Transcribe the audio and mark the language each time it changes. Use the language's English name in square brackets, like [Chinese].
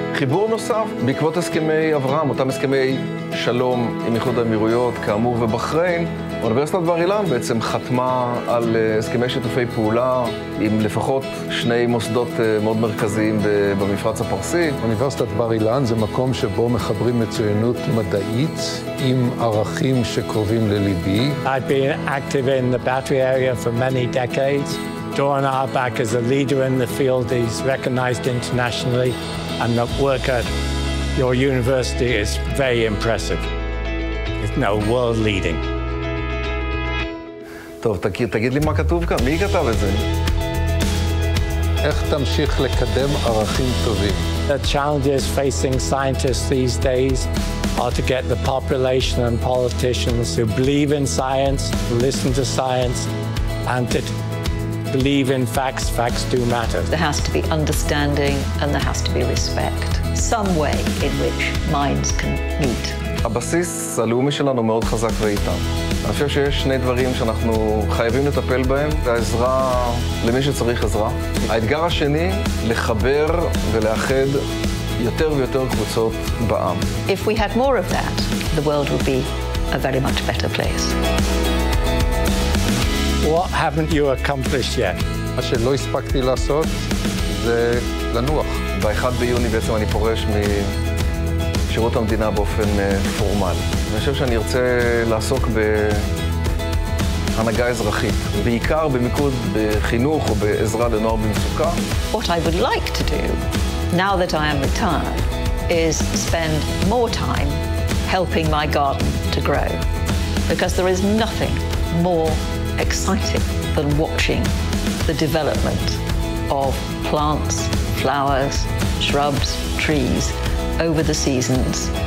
[Hebrew] חיבור נוסף, בעקבות הסכמי אברהם, אותם הסכמי שלום עם איחוד האמירויות, כאמור ובחריין, אוניברסיטת בר אילן בעצם חתמה על הסכמי שיתופי פעולה עם לפחות שני מוסדות מאוד מרכזיים במפרץ הפרסי. אוניברסיטת בר אילן זה מקום שבו מחברים מצוינות מדעית עם ערכים שקרובים לליבי. [English] I've been active in the battery area for many decades. Doran Auerbach is a leader in the field. He's recognized internationally, and the work at your university is very impressive. It's now world leading. [Hebrew] טוב, תגיד לי מה כתוב כאן, מי כתב את זה? איך תמשיך לקדם ערכים טובים? [English] The challenges facing scientists these days are to get the population and politicians who believe in science, to listen to science, and to believe in facts. Facts do matter. There has to be understanding and there has to be respect. Some way in which minds can meet. [Hebrew] הבסיס הלאומי שלנו מאוד חזק ואיתן. אני חושב שיש שני דברים שאנחנו חייבים לטפל בהם, העזרה למי שצריך עזרה. האתגר השני, לחבר ולאחד יותר ויותר קבוצות בעם. [English] If we had more of that, the world would be a very much better place. What haven't you accomplished yet? [Hebrew] מה שלא הספקתי לעשות זה לנוח. ב-1 ביוני בעצם אני פורש שירות המדינה באופן פורמלי. אני חושב שאני ארצה לעסוק בהנהגה אזרחית, בעיקר במיקוד בחינוך או בעזרה לנוער במצוקה. [English] What I would like to do, now that I am retired, is spend more time helping my garden to grow. because there is nothing more exciting than watching the development of plants, flowers, shrubs, trees over the seasons.